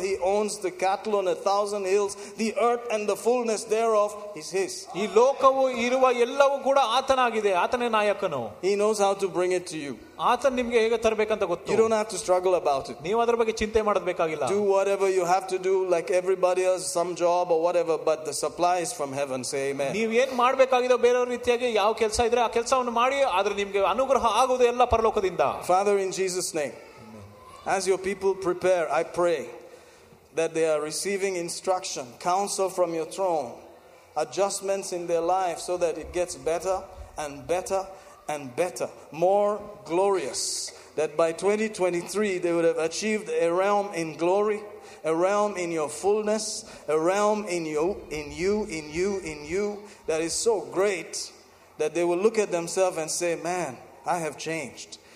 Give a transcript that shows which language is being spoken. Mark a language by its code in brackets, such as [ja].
[en] He owns the cattle on a thousand hills. The earth and the fullness thereof is his. [kn] ಈ ಲೋಕವು ಇರುವ ಎಲ್ಲವೂ ಕೂಡ ಆತನಾಗಿದೆ. ಆತನೇ ನಾಯಕನು. [en] He knows how to bring it to you. [kn] ಆತನ ನಿಮಗೆ ಹೇಗೆ ತರಬೇಕಂತ ಗೊತ್ತು. [en] You don't have to struggle about it. [kn] ನೀವು ಅದರ ಬಗ್ಗೆ ಚಿಂತೆ ಮಾಡಬೇಕಾಗಿಲ್ಲ. [en] Do whatever you have to do like everybody else, some job or whatever, but the supply is from heaven. Say amen. [kn] ನೀವು ಏನು ಮಾಡಬೇಕಾಗಿದೋ ಬೇರೆ ರೀತಿಯಾಗಿ ಯಾವ ಕೆಲಸ ಇದ್ರೆ ಆ ಕೆಲಸವನ್ನು ಮಾಡಿ, ಆದ್ರೆ ನಿಮಗೆ ಅನುಗ್ರಹ ಆಗುವುದು ಎಲ್ಲ ಪರಲೋಕದಿಂದ. [en] Father, in Jesus' name, amen. As your people prepare, I pray that they are receiving instruction, counsel from your throne, adjustments in their life so that it gets better and better and better, more glorious, that by 2023 they would have achieved a realm in glory, a realm in your fullness, a realm in you that is so great that they will look at themselves and say, man, I have changed.